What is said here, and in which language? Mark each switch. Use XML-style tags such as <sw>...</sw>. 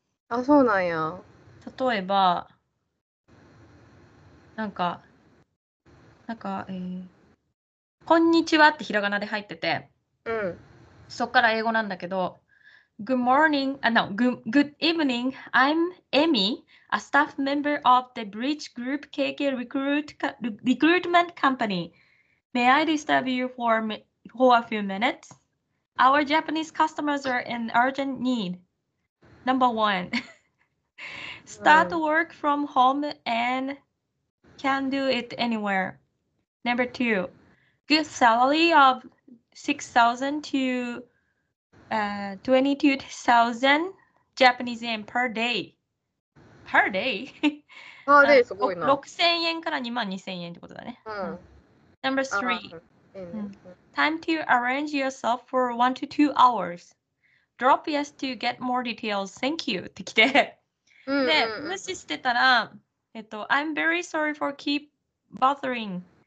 <ja>あ、そうなんや。例えばなんか、こんにちはってひらがなで入ってて、うん、そっから英語なんだけど、</ja> <en>Good morning, no, good evening. I'm Amy, a staff member of the Bridge Group KK Recruitment Company. May I disturb you for a few minutes? Our Japanese customers are in urgent need. Number one, start work from home and can do it anywhere. Number two, good salary of 6,000 to 22,000 Japanese yen per day. Per day?</en> <ja>あ、で、すごいな。 6,000円から2万2000円ってことだね。うん。</ja> <en>Number three.</en> <ja>いいね。</ja> <en>Time to arrange yourself for 1 to 2 hours. Drop yes to get more details. Thank you.</en> <ja>ってきて。で、無視してたら、</ja> <en>I'm very sorry for keep bothering.</en>